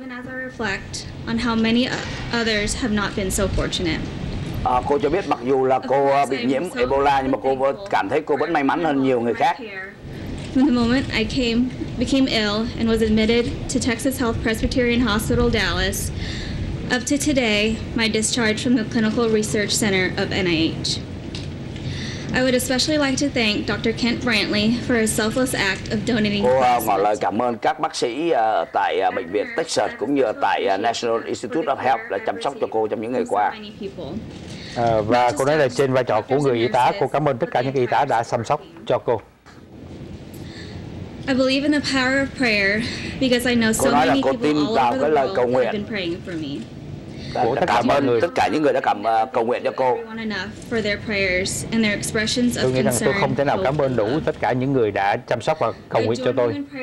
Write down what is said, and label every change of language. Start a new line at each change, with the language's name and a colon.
English: Even as I reflect on how many others have not been so fortunate.
Vietnamese: Cô cho biết mặc dù là cô bị nhiễm Ebola nhưng mà cô cảm thấy cô vẫn may mắn hơn nhiều người khác.
English: From the moment I became ill and was admitted to Texas Health Presbyterian Hospital Dallas, up to today, my discharge from the Clinical Research Center of NIH. I would especially like to thank Dr. Kent Brantley for his selfless act of donating.
Vietnamese: Cô ngỏ lời cảm ơn các bác sĩ tại bệnh viện Texas cũng như tại National Institute of Health đã chăm sóc cho cô trong những ngày qua. Và cô nói là trên vai trò của người y tá, cô cảm ơn tất cả những y tá đã chăm sóc cho cô.
English: I believe in the power of prayer because I know so many people all over the world have been praying for me.
Vietnamese: Cảm ơn tất cả những người đã cầu nguyện cho cô. Tôi nghĩ rằng tôi không thể nào cảm ơn đủ tất cả những người đã chăm sóc và cầu nguyện cho tôi.